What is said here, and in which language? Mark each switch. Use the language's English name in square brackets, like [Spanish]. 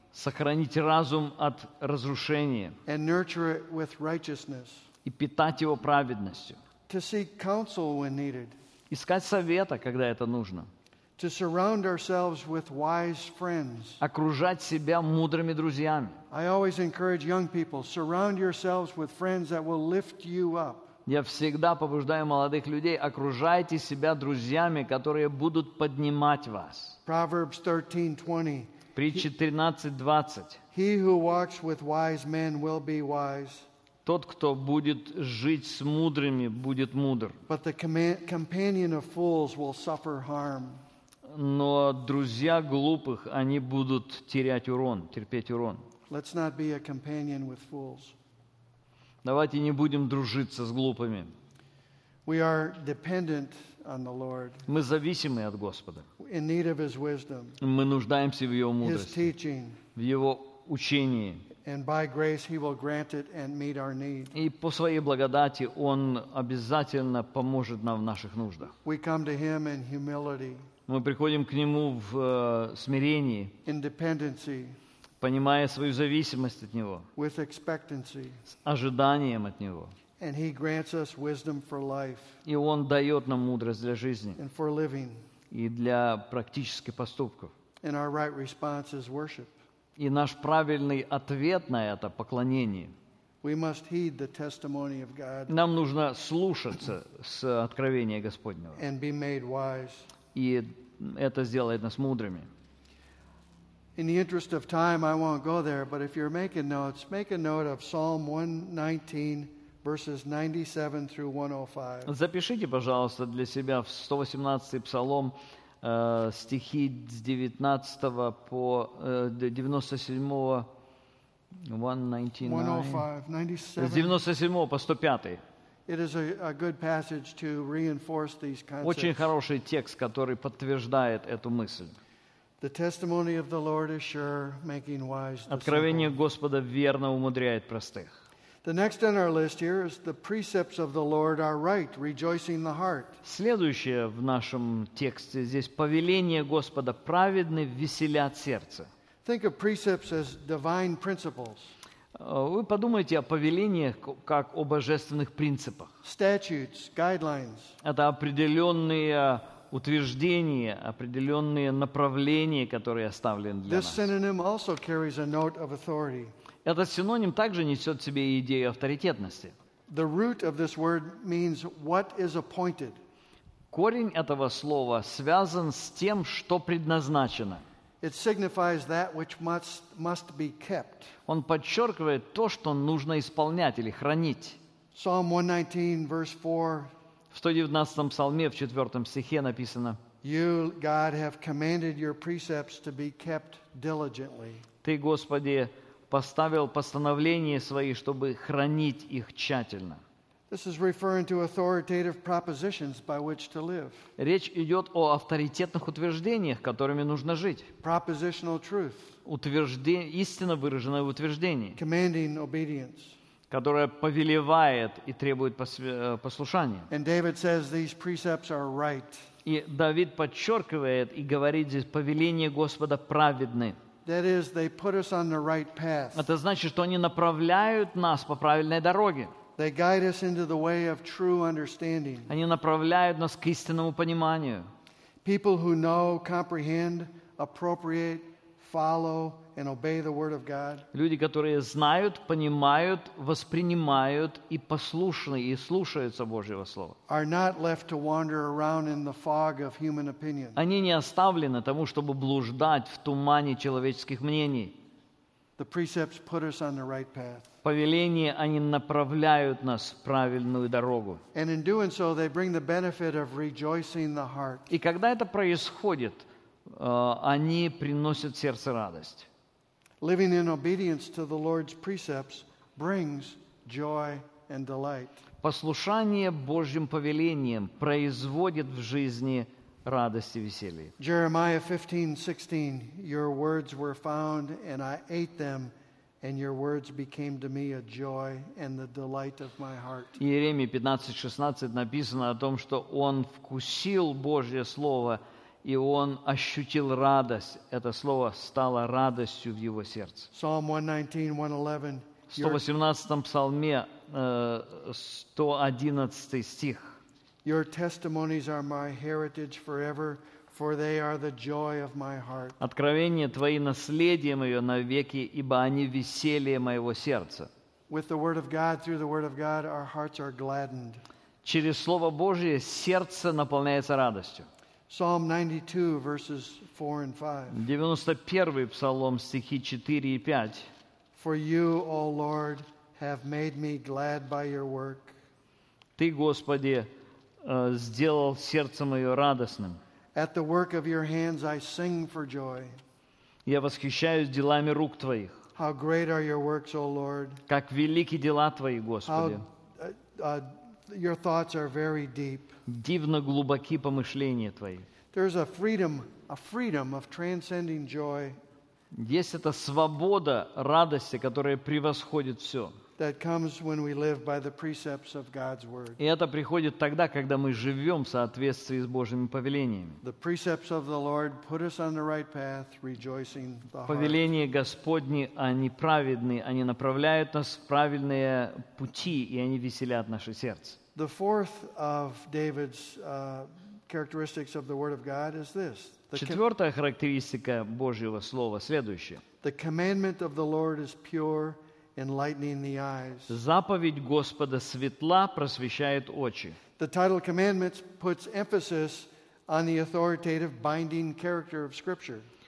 [Russian] Сохранить разум от разрушения [English] and nurture it with righteousness. [Russian] И питать его праведностью. [English] To seek counsel when needed. [Russian] Искать совета, когда это нужно. [English] To surround ourselves with wise friends. [Russian] Окружать себя мудрыми друзьями. [English] I always encourage young people, surround yourselves with friends that will lift you up. [Russian] Я всегда побуждаю молодых людей, окружайте себя друзьями, которые будут поднимать вас. [English] Proverbs 13:20. [Russian] Притча 13:20. [English] He who walks with wise men will be wise. [Russian] Тот, кто будет жить с мудрыми, будет мудр. [English] But the companion of fools will suffer harm. [Russian] Но друзья глупых, они будут терять урон, терпеть урон. [English] Let's not be a companion with fools. [Russian] Давайте не будем дружиться с глупыми. [English] We are dependent on the Lord. [Russian] Мы зависимы от Господа. [English] In need of His wisdom. [Russian] Мы нуждаемся в Его мудрости. [English] His teaching. [Russian] В Его учении. [English] And by grace He will grant it and meet our need. [Russian] И по Своей благодати Он обязательно поможет нам в наших нуждах. [English] We come to Him in humility. [Russian] Мы приходим к Нему в смирении. [English] In dependency. [Russian] Понимая свою зависимость от Него, [English] with expectancy, [Russian] с ожиданием от Него. [English] And He grants us wisdom for life, [Russian] и Он дает нам мудрость для жизни [English] and for living, [Russian] и для практических поступков. [English] And our right response is worship. [Russian] И наш правильный ответ на это – поклонение. [English] We must heed the testimony of God, [Russian] нам нужно слушаться с откровения Господнего [English] and be made wise. [Russian] И это сделает нас мудрыми. [English] In the interest of time, I won't go there, but if you're making notes, make a note of Psalm 119, verses 97 through 105. [Russian] Запишите, пожалуйста, для себя в 118-й Псалом стихи с 19 по 97-го, 97-го по 105-й. [English] It is a good passage to reinforce these concepts. [Russian] Очень хороший текст, который подтверждает эту мысль. [English] The testimony of the Lord is sure, making wise the [Russian] Откровение Господа верно умудряет простых. [English] The next on our list here is the precepts of the Lord are right, rejoicing the heart. [Russian] Следующее в нашем тексте здесь повеления Господа праведны, веселят сердце. [English] Think of precepts as divine principles. [Russian] Вы подумайте о повелениях как о божественных принципах. [English] Statutes, guidelines. [Russian] Это определенные утверждения, определенные направления, которые оставлены для [English] This Synonym also carries a note of authority. [Russian] Этот синоним также несет в себе идею авторитетности. [English] The root of this word means what is appointed. [Russian] Корень этого слова связан с тем, что предназначено. [English] It signifies that which must be kept. [Russian] Он подчеркивает то, что нужно исполнять или хранить. [English] Psalm 119, verse 4. [Russian] В 119-м псалме, в 4-м стихе написано: [English] You, God, have commanded your precepts to be kept diligently. [Russian] Ты, Господи, поставил постановления свои, чтобы хранить их тщательно. [English] This is referring to authoritative propositions by which to live. [Russian] Речь идет о авторитетных утверждениях, которыми нужно жить. [English] Propositional truth. [Russian] Истинно выраженное утверждение. [English] Commanding obedience. [Russian] Которая повелевает и требует послушания. [English] And David says these precepts are right. [Russian] И Давид подчеркивает и говорит здесь, повеления Господа праведны. [English] That is, they put us on the right path. [Russian] Это значит, что они направляют нас по правильной дороге. [English] They guide us into the way of true understanding. [Russian] Они направляют нас к истинному пониманию. [English] People who know, comprehend, appropriate, follow, and obey the word of God. [Russian] Люди, которые знают, понимают, воспринимают и послушны и слушаются Божьего слова. [English] Are not left to wander around in the fog of human opinion. [Russian] Они не оставлены тому, чтобы блуждать в тумане человеческих мнений. [English] The precepts put us on the right path. [Russian] Повеления, они направляют нас в правильную дорогу. [English] And in doing so, they bring the benefit of rejoicing the heart. [Russian] И когда это происходит, они приносят сердце радость. [English] Living in obedience to the Lord's precepts brings joy and delight. [Russian] Послушание Божьим повелениям производит в жизни радость и веселье. [English] Jeremiah 15:16, Your words were found, and I ate them, and your words became to me a joy and the delight of my heart. [Russian] Иеремия 15:16 написано о том, что он вкусил Божье слово. И он ощутил радость. Это слово стало радостью в его сердце. [English] Psalm 119:111. [Russian] В 118-м псалме, 111 стих. [English] Your testimonies are my heritage forever, for they are the joy of my heart. [Russian] Откровения твои наследие мое навеки, ибо они веселье моего сердца. [English] With the word of God, through the word of God, our hearts are gladdened. [Russian] Через Слово Божие сердце наполняется радостью. [English] Psalm 92, verses 4 and 5. 91 [Russian] Псалом, стихи 4 и 5. [English] For you, O Lord, have made me glad by your work. [Russian] Ты, Господи, сделал сердце мое радостным. [English] At the work of your hands I sing for joy. [Russian] Я восхищаюсь делами рук твоих. [English] How great are your works, O Lord. [Russian] Как велики дела твои, Господи. [English] How, your thoughts are very deep. [Russian] Дивно глубоки помышления твои. [English] There's a freedom of transcending joy. [Russian] Есть эта свобода радости, которая превосходит все. [English] That comes when we live by the precepts of God's word. [Russian] И это приходит тогда, когда мы живем в соответствии с Божьими повелениями. [English] The precepts of the Lord put us on the right path, rejoicing the heart. [Russian] Повеления Господни, они праведны, они направляют нас в правильные пути, и они веселят наше сердце. [English] The fourth of David's characteristics of the word of God is this. [Russian] Четвертая характеристика Божьего слова следующая. [English] The commandment of the Lord is pure, enlightening the eyes. [Russian] Заповедь Господа светла, просвещает очи. [English] The title commandments puts emphasis on the authoritative binding character of Scripture.